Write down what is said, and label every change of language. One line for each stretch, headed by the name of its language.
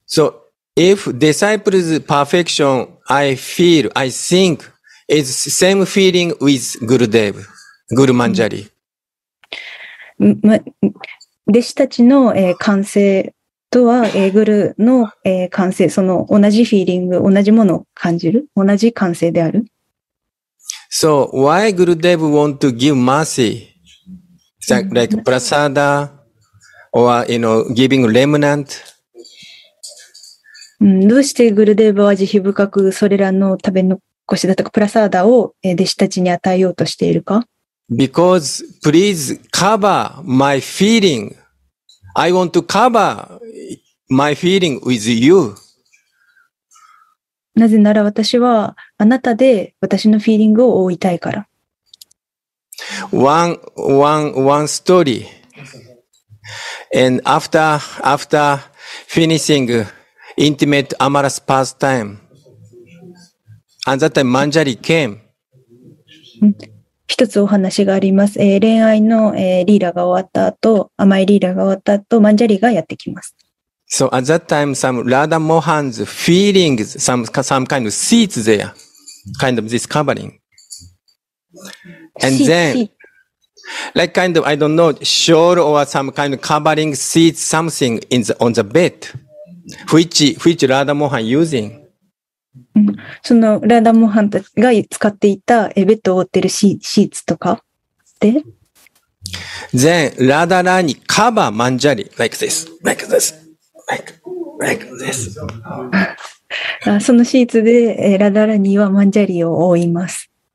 English: So, if disciples perfection, I feel, I think, is same feeling with Gurudev, Guru Manjari.
Japanese: 弟子たちの、感性とは、グルの、感性、その同じフィーリング、同じものを感じる、同じ感性である。
English: So, why Gurudev want to give mercy? Like prasada, or, you know, giving remnant?
Japanese: どうしてグルデーブは慈悲深くそれらの食べ残しだとか、プラサーダを弟子たちに与えようとしているか?
English: Because, please cover my feeling. I want to cover my feeling with you.
Japanese: なぜなら私はあなたで私のフィーリングを覆いたいから。
English: One story. And after finishing intimate amorous pastime, at that time Manjari came.
Japanese: 一つお話があります。恋愛の、リーラーが終わった後、甘いリーラーが終わった後、マンジャリがやってきます。
English: So at that time, some Radha Mohan's feelings, some kind of seeds there. kind of this covering. And then, like kind of, I don't know, shawl or some kind of covering seat, something in the, on the bed, which Radha Mohan using.
Japanese: そのラダモハンが使っていたエベットを覆ってるシーツとかで、
English: then ラダラにカバーマンジャリ like this, like this, like this.
Japanese: そのシーツでラダラにはマンジャリを覆います。